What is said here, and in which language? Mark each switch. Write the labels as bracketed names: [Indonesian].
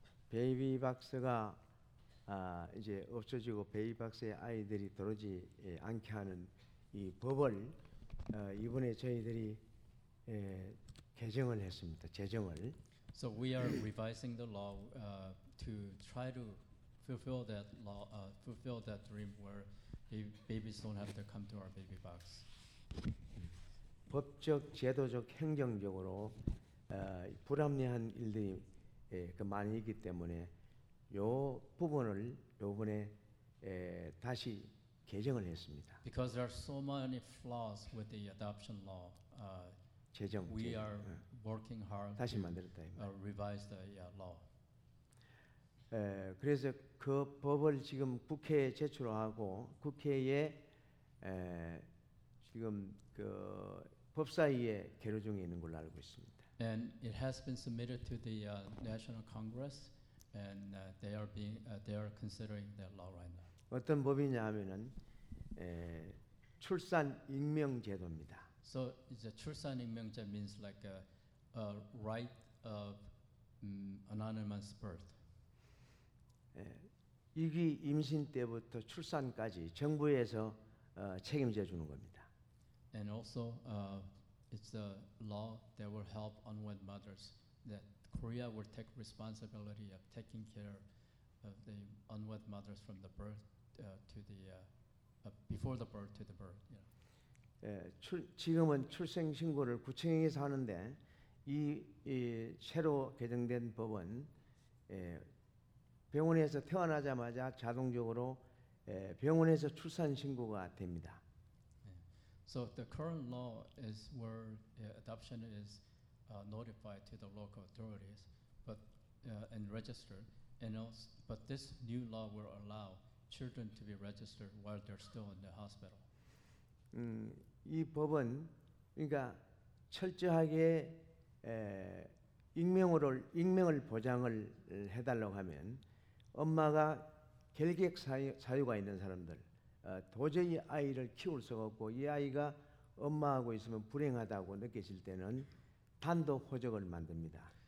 [Korean] Baby box가 이제 없어지고 baby box의 아이들이 들어오지 않게 하는 이 법을 이번에 저희들이 개정을 했습니다. 제정을. [English] So we are revising the law to try to fulfill that law, fulfill that dream where babies don't have to come to our baby box. [Korean] 법적, 제도적, 행정적으로 불합리한 일들이 그 많이 있기 때문에 요 부분을 요번에 다시 개정을 했습니다. [English] Because there are so many flaws with the adoption law, [Korean] 제정, [English] we are working hard [Korean] 다시 만들었다, [English] revise the law. [Korean] 그래서 그 법을 지금 국회에 제출하고 국회에 지금 그 법사위에 계류 중에 있는 걸로 알고 있습니다. [English] And it has been submitted to the National Congress, and they are being they are considering that law right now. [Korean] 어떤 법이냐 하면은 출산 익명 제도입니다. [English] So the 출산 익명제 means like a right of anonymous birth. [Korean] 이게 임신 때부터 출산까지 정부에서 책임져 주는 겁니다. [English] And also it's a law that will help unwed mothers that Korea will take responsibility of taking care of the unwed mothers from the birth to the before the birth to the birth. You know. [Korean] 지금은 출생 신고를 구청에서 하는데 이 새로 개정된 법은 병원에서 태어나자마자 자동적으로 병원에서 출산 신고가 됩니다. [English] So the current law is where adoption is notified to the local authorities, but and registered, and also, but this new law will allow children to be registered while they're still in the hospital. [Korean] 이 법은 그러니까 철저하게 익명을 보장을 해달라고 하면 엄마가 결객 사유가 있는 사람들. 도저히 아이를 키울 수가 없고 이 아이가 엄마하고 있으면 불행하다고 느껴질 때는 단독 호적을 만듭니다.